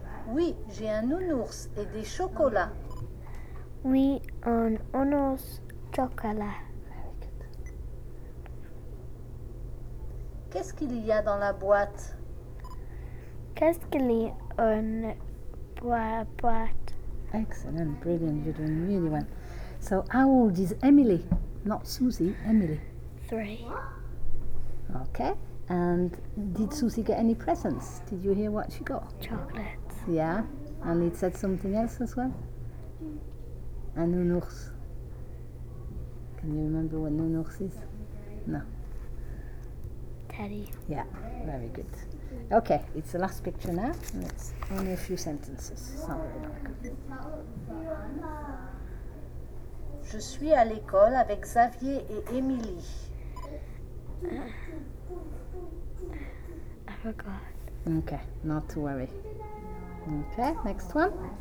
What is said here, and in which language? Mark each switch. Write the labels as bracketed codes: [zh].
[fr] Oui, j'ai un nounours et des chocolats. Oui, un nounours chocolat. Qu'est-ce qu'il y a dans la boîte? Qu'est-ce qu'il y a dans la boîte? [en] Excellent, brilliant, you're doing really well. So, how old is Emily? Not Susie, Emily. 3. Okay. And did Susie get any presents? Did you hear what she got? Chocolates. Yeah. And it said something else as well? And Nounours. Can you remember what Nounours is? No. Teddy. Yeah, very good. Okay, it's the last picture now. And it's only a few sentences. [fr] Je suis à l'école avec Xavier et Émilie. [en] I forgot. Okay, not to worry. Okay, next one.